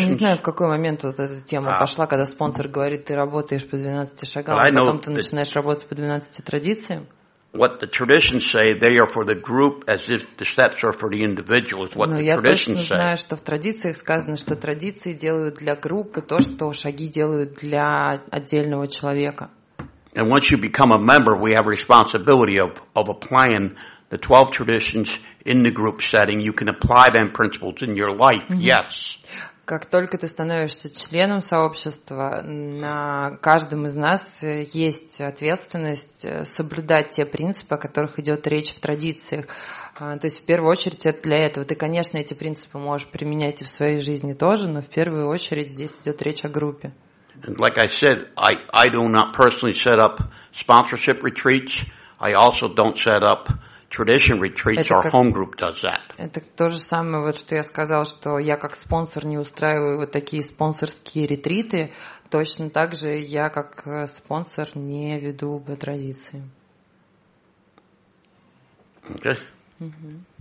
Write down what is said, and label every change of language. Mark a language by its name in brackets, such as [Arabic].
[Russian] Я не знаю, в какой момент вот эта тема пошла, когда спонсор говорит, ты работаешь по 12 шагам, а потом ты начинаешь работать по 12 традициям. [English] What the traditions say, they are for the group, as if the steps are for the individual. Is what the traditions say. [Russian] Но я точно знаю, что в традициях сказано, что традиции делают для группы то, что шаги делают для отдельного человека. [English] And once you become a member, we have responsibility of applying the 12 traditions in the group setting. You can apply them principles in your life. Mm-hmm. Yes. [Russian] Как только ты становишься членом сообщества, на каждом из нас есть ответственность соблюдать те принципы, о которых идет речь в традициях. То есть, в первую очередь, это для этого. Ты, конечно, эти принципы можешь применять и в своей жизни тоже, но в первую очередь здесь идет речь о группе. [English] And like I said, I do not personally set up sponsorship retreats. I also don't set up tradition retreats, our home group does that. [Russian] Это то же самое, вот что я сказал, что я как спонсор не устраиваю вот такие спонсорские ретриты. Точно так же я как спонсор не веду по традиции. [English] Okay. Mm-hmm.